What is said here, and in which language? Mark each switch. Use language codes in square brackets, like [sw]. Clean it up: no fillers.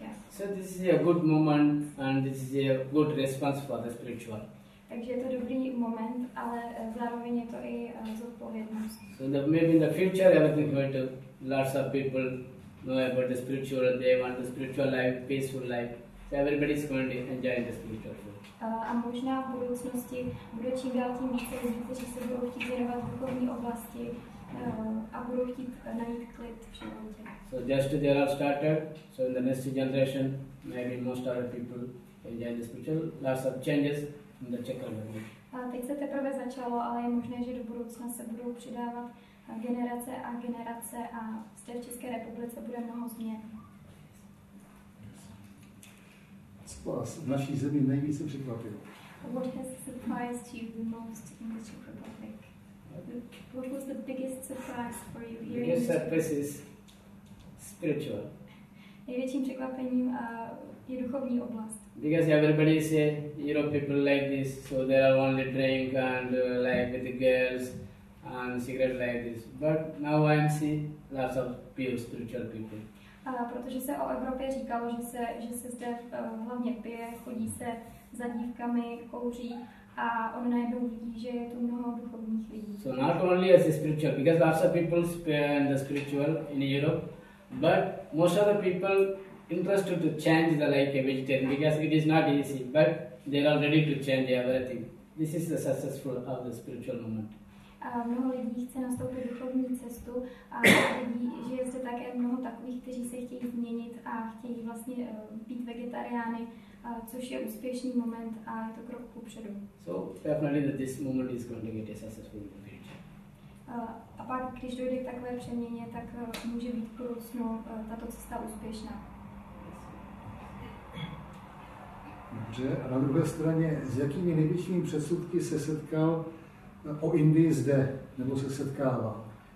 [en] So this is a good moment and this is a good response for the spiritual. [cs] Takže je to dobrý moment, ale zároveň je to i zodpovědnost. [en] So that maybe in the future everything going to lots of people know about the spiritual, they want the spiritual life, peaceful life. So everybody is going to enjoy the spiritual food. [cs] A možná v budoucnosti bude čím dál tím více lidí, kteří se budou chtít věnovat duchovní oblasti. A budou chtít najít klid všem lidem. [en] So just they are started, so in the next generation, maybe most of the people enjoy the spiritual, lots of changes in the Czech Republic. [cs] Teď se teprve začalo, ale je možné, že do budoucna se budou přidávat generace a generace a zde v České republice bude mnoho změn. Co vás v naší zemi nejvíce překvapilo? [en] What has surprised you the most in the Czech Republic? What was the biggest surprise for you here? Biggest surprise is spiritual. [cs] Největším překvapením je duchovní oblast. [en] Because everybody is a Europe people like this, so they are only drink and like with the girls and cigarette like this. But now I am see lots of pure spiritual people. [cs] Protože se o Evropě říkalo, že se zde hlavně pije, chodí se za dívkami, kouří. A on najednou vidí, že je tu mnoho duchovních lidí. [en] So not only as a spiritual, because lots of people spend the spiritual in Europe, but most of the people interested to change the like a vegetarian, because it is not easy, but they are ready to change everything. This is the successful of the spiritual moment. [cs] A mnoho lidí chce nastoupit duchovní cestu a vidí, že je zde také mnoho takových, kteří se chtějí změnit a chtějí vlastně být vegetariány. Což je úspěšný moment a je to krok kupředu. [en] So definitely that this moment is going to get a successful future. [cs] A pak, když dojde k takové přeměně, tak může být budoucnu tato cesta úspěšná. Dobře, a na druhé straně, s jakými největšími předsudky se setkal o Indii zde, nebo se setkává?